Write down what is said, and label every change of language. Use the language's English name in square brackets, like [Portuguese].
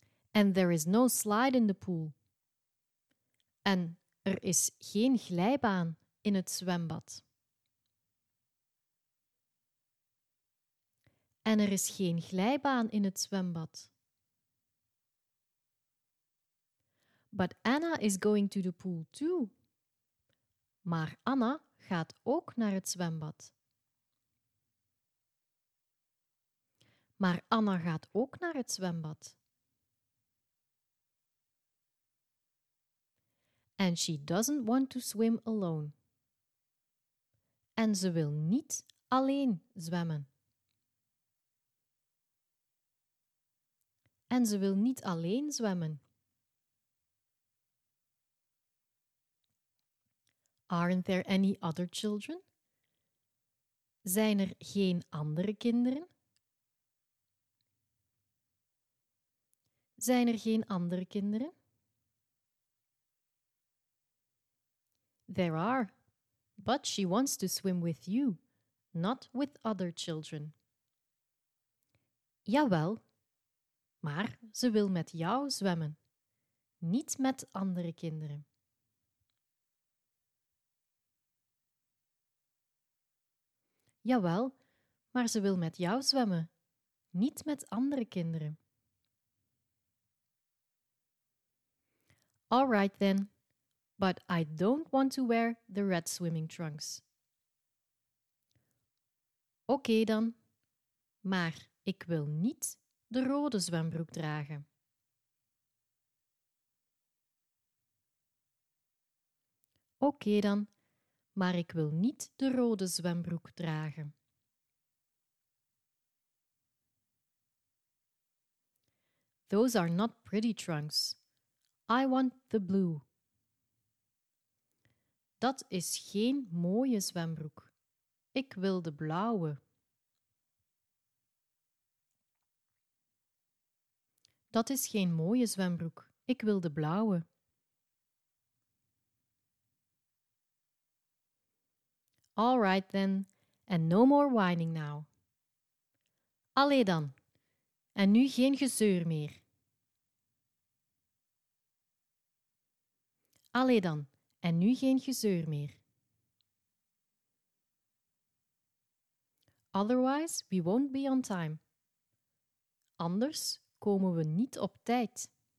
[English] And there is no slide in the pool. [Dutch] En er is geen glijbaan in het zwembad. En er is geen glijbaan in het zwembad. [English] But Anna is going to the pool too. [Dutch] Maar Anna gaat ook naar het zwembad. Maar Anna gaat ook naar het zwembad. [English] And she doesn't want to swim alone. [Dutch] En ze wil niet alleen zwemmen. En ze wil niet alleen zwemmen. [English] Aren't there any other children? [Dutch] Zijn er geen andere kinderen? Zijn er geen andere kinderen? [English] There are, but she wants to swim with you, not with other children. [Dutch] Jawel, maar ze wil met jou zwemmen, niet met andere kinderen. Jawel, maar ze wil met jou zwemmen, niet met andere kinderen. [English] All right then, but I don't want to wear the red swimming trunks. [Dutch] Oké dan, maar ik wil niet de rode zwembroek dragen. Oké dan, maar ik wil niet de rode zwembroek dragen. [English] Those are not pretty trunks. I want the blue. [Dutch] Dat is geen mooie zwembroek. Ik wil de blauwe. Dat is geen mooie zwembroek. Ik wil de blauwe. [English] All right then, and no more whining now. [Dutch] Allee dan, en nu geen gezeur meer. Allee dan, en nu geen gezeur meer. [English] Otherwise, we won't be on time. [Dutch] Anders komen we niet op tijd.